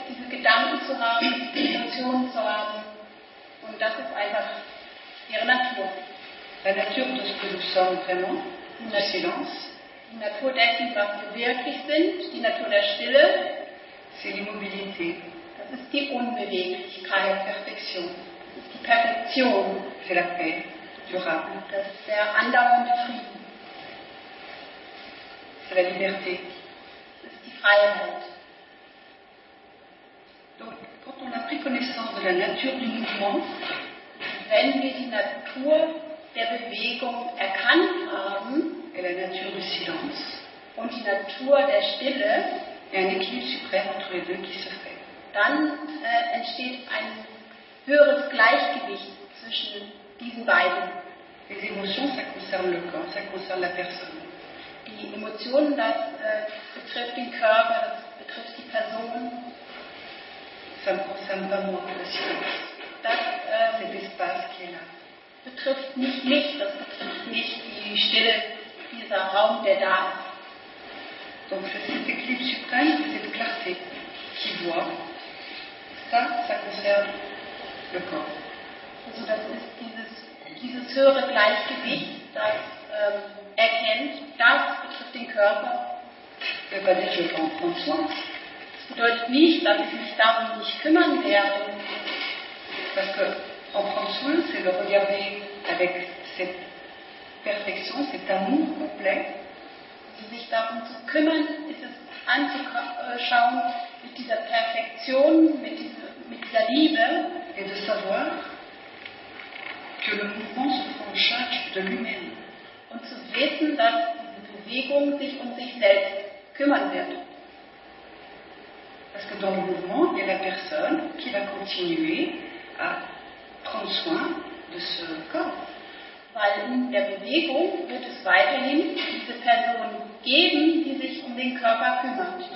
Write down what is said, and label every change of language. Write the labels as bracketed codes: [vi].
[de] Gedanken zu haben, Emotionen zu haben, und das ist einfach ihre Natur. [fr] La nature de ce que nous sommes vraiment, le silence. [de] Die Natur dessen, was wir wirklich sind, die Natur der Stille. [fr] C'est l'immobilité. [de] Das ist die Unbeweglichkeit. [fr] La perfection. [de] Das ist die Perfektion. [fr] C'est la paix durable. [de] Das ist der andauernde Frieden. [fr] C'est la liberté. [de] Das ist die Freiheit. [fr] Donc, quand on a pris connaissance de la nature du mouvement, [de] wenn wir die Natur der Bewegung erkannt haben, [fr] et la nature du silence, [de] und die Natur der Stille, [fr] et un équilibre suprême entre les deux qui se fait, [de] dann entsteht ein höheres Gleichgewicht zwischen diesen beiden. [fr] Les émotions, ça concerne le corps, ça concerne la personne. [de] Die Emotionen, das betrifft den Körper, das betrifft die Person. [fr] Ça ne concerne pas moi, la silence. Cet espace qui est là. [de] Betrifft nicht mich, das betrifft nicht die Stille, dieser Raum, der da ist. [fr] Donc c'est cet équilibre suprême, cette clarté qui voit. Ça, ça concerne le corps. [de] Also das ist dieses höhere Gleichgewicht, das erkennt, das betrifft den Körper. [fr] Ça veut pas dire je prends soin. [de] Das bedeutet nicht, dass ich mich darum nicht kümmern werde. [fr] Parce que en prendre soin, c'est de regarder avec cette perfection, cet amour complet. [de] Sich darum zu kümmern, ist es anzuschauen mit dieser Perfektion, mit dieser Liebe. [fr] Et de savoir que le mouvement se prend en charge de lui-même. [de] Und zu wissen, dass diese Bewegung sich um sich selbst kümmern wird. [fr] Parce que dans le mouvement, il y a la personne qui va continuer à prendre soin de ce corps. [de] Weil in der Bewegung wird es weiterhin diese Person geben, die sich um den Körper kümmert.